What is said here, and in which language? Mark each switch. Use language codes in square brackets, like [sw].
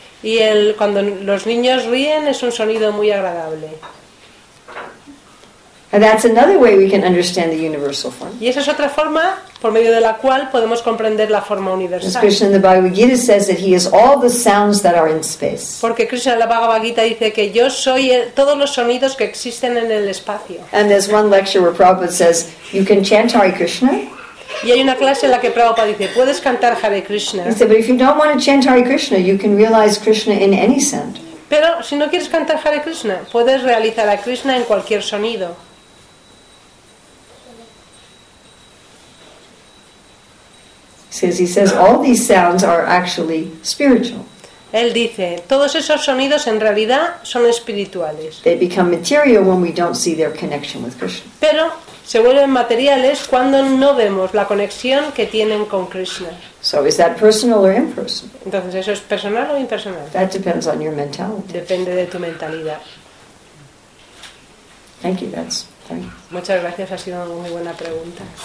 [es] Y cuando los niños ríen es un sonido muy agradable. [en] And that's another way we can understand the universal form. [es] Y esa es otra forma por medio de la cual podemos comprender la forma universal. [en] Krishna in the Bhagavad Gita says that he is all the sounds that are in space. [es] Porque Krishna en la Bhagavad Gita dice que yo soy todos los sonidos que existen en el espacio. [en] And there's one lecture where Prabhupada says you can chant Hare Krishna. [es] Y hay una clase en la que Prabhupada dice, puedes cantar Hare Krishna. [en] He said, but if you don't want to chant Hare Krishna, you can realize Krishna in any sound. [es] Pero si no quieres cantar Hare Krishna, puedes realizar a Krishna en cualquier sonido. [en] He says all these sounds are actually spiritual. [es] Él dice, todos esos sonidos en realidad son espirituales. [en] They become material when we don't see their connection with Krishna. [es] Pero se vuelven materiales cuando no vemos la conexión que tienen con Krishna. [en] So is that personal or impersonal? [es] Entonces, ¿eso es personal o impersonal? [en] That depends on your mentality. [es] Depende de tu mentalidad. [en] Thank you, that's fine. [es] Muchas gracias, ha sido una muy buena pregunta.